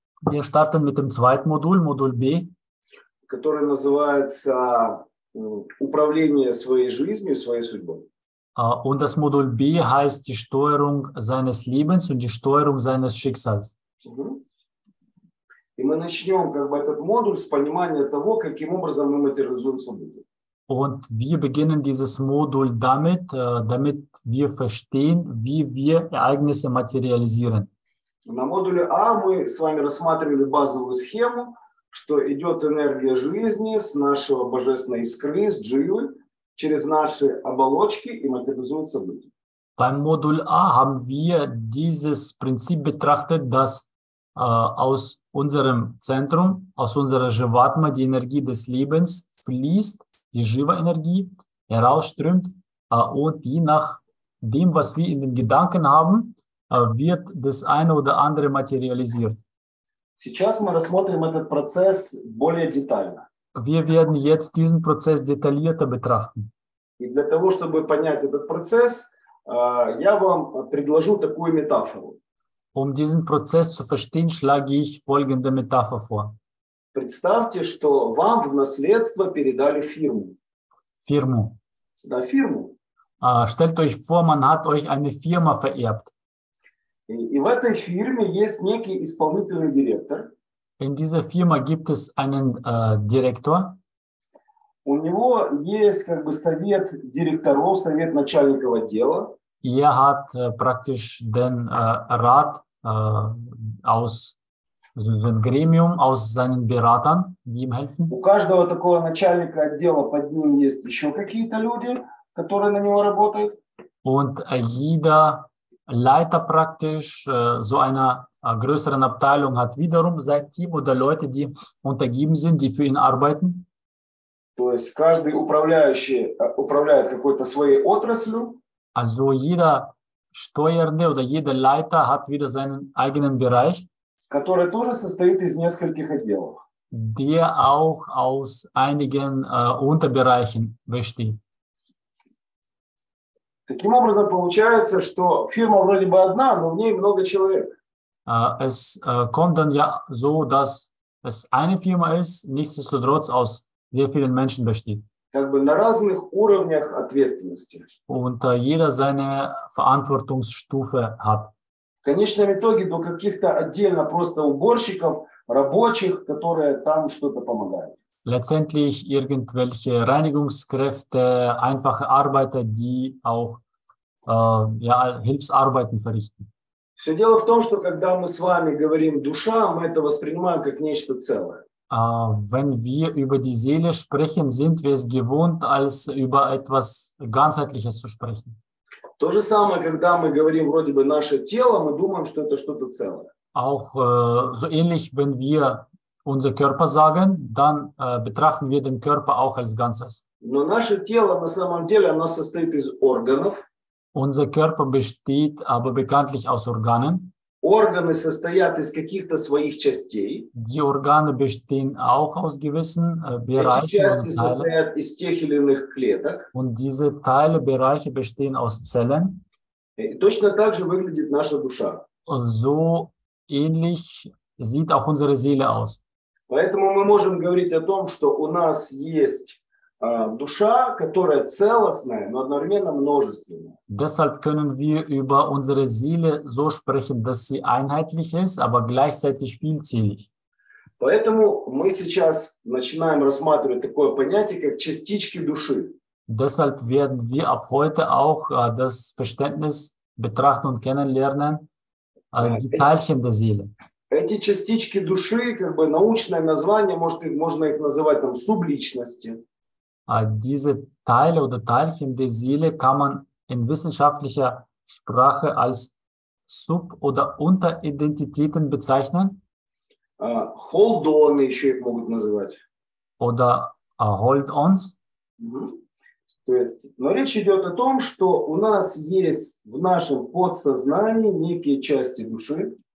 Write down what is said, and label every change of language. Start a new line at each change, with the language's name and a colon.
German: Wir starten mit dem zweiten Modul, Modul B.
Russian: который называется «Управление своей жизнью и своей судьбой».
German: Und das Modul B heißt die Steuerung seines Lebens und die Steuerung seines Schicksals.
Russian: И мы начнем как бы этот модуль с понимания того, каким образом мы материализуем события.
German: Und wir beginnen dieses Modul damit, damit wir verstehen, wie wir Ereignisse materialisieren.
Russian: На модуле А мы с вами рассматривали базовую схему, что идет энергия жизни с нашего божественной искры, с джилы, через наши оболочки и материализует события.
German: Beim Modul A haben wir dieses Prinzip betrachtet, dass aus unserem Zentrum, aus unserer Jivatma, die Energie des Lebens fließt, die Jiva-Energie herausströmt und je nach dem, was wir in den Gedanken haben, wird das eine oder andere materialisiert.
Russian: Сейчас мы рассмотрим этот процесс более детально.
German: Wir werden jetzt diesen Prozess detaillierter betrachten.
Russian: И для того, чтобы понять этот процесс, я вам предложу такую метафору. Um diesen Prozess zu verstehen, schlage ich folgende Metapher vor. Представьте, что вам в наследство передали фирму. Фирму. Да, фирму.
German: Stellt euch vor, man hat euch eine Firma vererbt.
Russian: И в этой фирме есть некий исполнительный директор.
German: In dieser Firma gibt es einen Direktor.
Russian: У него есть как бы совет директоров, совет начальников отдела.
German: Er hat praktisch den Rat aus so ein Gremium, aus seinen Beratern, die ihm helfen.
Russian: У каждого такого начальника отдела под ним есть еще какие-то люди, которые на него работают.
German: Und jeder Leiter praktisch so einer größeren Abteilung hat wiederum sein Team oder Leute, die untergeben sind, die für ihn arbeiten.
Russian: То есть каждый управляющий управляет какой-то своей отраслью.
German: Also jeder Steuernde oder jeder Leiter hat wieder seinen eigenen Bereich,
Russian: который тоже состоит из нескольких отделов.
German: Der auch aus einigen Unterbereichen besteht.
Russian: Таким образом получается, что фирма вроде бы одна, но в ней много человек.
German: Es kommt dann ja so, dass es eine Firma ist, nichtsdestotrotz aus sehr vielen Menschen besteht.
Russian: Как бы на разных уровнях ответственности.
German: Und jeder seine Verantwortungsstufe hat.
Russian: В конечном итоге до каких-то отдельно просто уборщиков, рабочих, которые там что-то помогают.
German: Letztendlich irgendwelche Reinigungskräfte, einfache Arbeiter, die auch ja, Hilfsarbeiten verrichten.
Russian: Все дело в том, что когда мы с вами говорим «душа», мы это воспринимаем как нечто целое.
German: Wenn wir über die Seele sprechen, sind wir es gewohnt, als über etwas Ganzheitliches zu sprechen.
Russian: То же самое, когда мы говорим вроде бы «наше тело», мы думаем, что это что-то целое.
German: Auch so ähnlich, wenn wir unser Körper sagen, dann betrachten wir den Körper auch als Ganzes.
Russian: Но наше тело на самом деле, оно состоит из органов.
German: Unser Körper besteht aber bekanntlich aus Organen.
Russian: Органы состоят из каких-то своих частей.
German: Die Organe bestehen auch aus gewissen Bereichen.
Russian: Эти части состоят из тех или иных клеток.
German: Und diese Teile, Bereiche bestehen aus Zellen.
Russian: И точно так же выглядит наша душа.
German: Und so ähnlich sieht auch unsere Seele aus.
Russian: Поэтому мы можем говорить о том, что у нас есть душа, которая целостная, но одновременно множественная.
German: Deshalb können wir über unsere Seele so sprechen, dass sie einheitlich ist, aber gleichzeitig vielzählig.
Russian: Поэтому мы сейчас начинаем рассматривать такое понятие, как частички души.
German: Deshalb werden wir ab heute auch das Verständnis betrachten und kennenlernen, die Teilchen der Seele.
Russian: Эти частички души, как бы научное название, можно их называть там субличности.
German: Diese Teile oder Teilchen der Seele kann man in wissenschaftlicher Sprache als Sub- oder Unteridentitäten bezeichnen.
Russian: Hold-on еще их могут называть.
German: Oder Hold-ons.
Russian: То есть, но речь идет о том, что у нас есть в нашем подсознании некие части души.